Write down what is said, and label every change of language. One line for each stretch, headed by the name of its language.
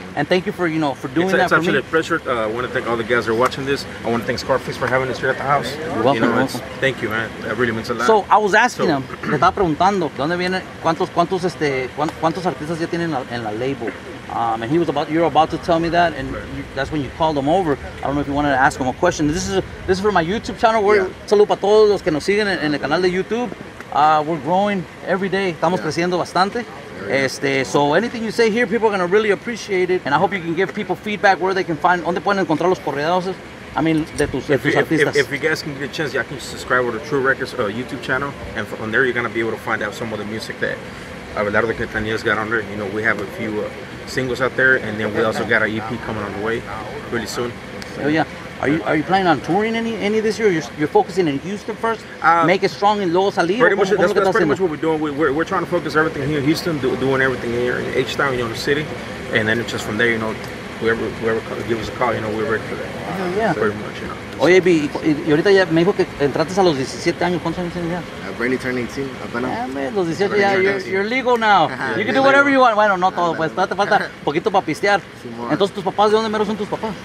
English: And thank you for, you know, for doing it's that for me. It's actually a pleasure. I want to thank all the guys who are watching this. I want to thank Scarface for having us here at the house. You're welcome, you know, welcome. Thank you, man. That really means a lot. So, I was asking him,
Spanish: le estaba preguntando, ¿dónde viene, cuántos artistas ya tienen en la label?
English: And he was about to tell me that, and that's when you called him over. I don't know if you wanted to ask him a question. This is for my YouTube channel. We're
Spanish: salud para todos los que nos siguen en el canal de YouTube.
English: We're growing every day.
Spanish: Estamos creciendo bastante.
English: So anything you say here, people are gonna really appreciate it, and I hope you can give people feedback where they can find.
Spanish: ¿Dónde pueden encontrar los corridos?
English: I mean,
Spanish: de tus artistas.
English: If you guys can get a chance, y'all can subscribe to True Records YouTube channel, and on there you're gonna be able to find out some of the music that Abelardo Quintanilla's got under. You know, we have a few singles out there, and then we also got our EP coming on the way really soon. Oh, yeah. Are you planning on touring any this year? You're focusing in Houston first? Make it strong in Los Alitos? That's pretty much what we're doing. We're trying to focus everything here in Houston, doing everything here in H-Town, you know, the city. And then it's just from there, you know, whoever give us a call, you know, we're ready for that. Yeah. Pretty much, you know.
Spanish: Oye, B, y ahorita ya me dijo que entraste a los 17 años. ¿Cuántos años tienes ya?
English: I've already turned 18.
Spanish: Los 17 ya.
English: You're legal now. You can do whatever you want.
Spanish: Bueno, no todo. Pues te falta poquito para pistear. Entonces, ¿tus papás de dónde mero son tus papás?